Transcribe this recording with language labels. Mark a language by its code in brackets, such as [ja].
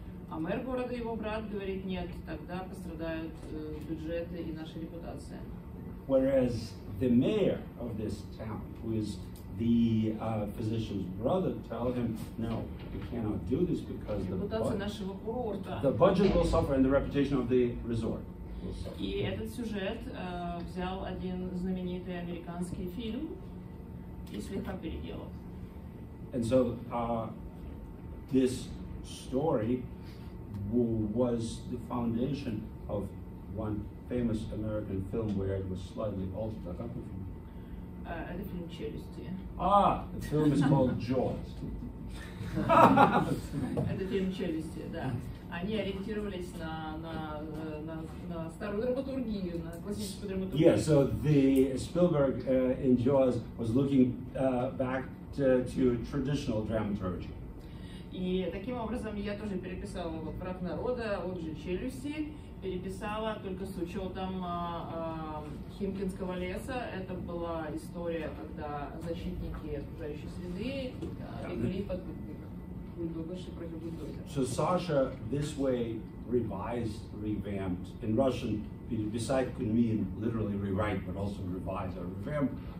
[ru] А мэр города, его брат, говорит, нет, тогда пострадают бюджеты и наша репутация. [en] Whereas the mayor of this town, who is the physician's brother, tell him, no, you cannot do this because the budget will suffer and the reputation of the resort will suffer. [ru] И этот сюжет взял один знаменитый американский фильм и слегка переделал. [en] And so this story was the foundation of one famous American film where it was slightly altered. [ru] Это фильм «Челюсти». [en] А, the film is called «Jaws». [ru] Это фильм «Челюсти», да. Они ориентировались на старую драматургию, на классическую драматургию. [en] Yeah, so the Spielberg in «Jaws» was looking back to traditional dramaturgy. [ru] И таким образом я тоже переписала вот «Враг народа», он же «Челюсти». Переписала только с учетом Химкинского леса. Это была история, когда защитники окружающей среды бегли под бульдогерши против бульдогерши. [en] So Sasha this way revised, revamped. In Russian, beside could mean literally rewrite, but also revise or revamp.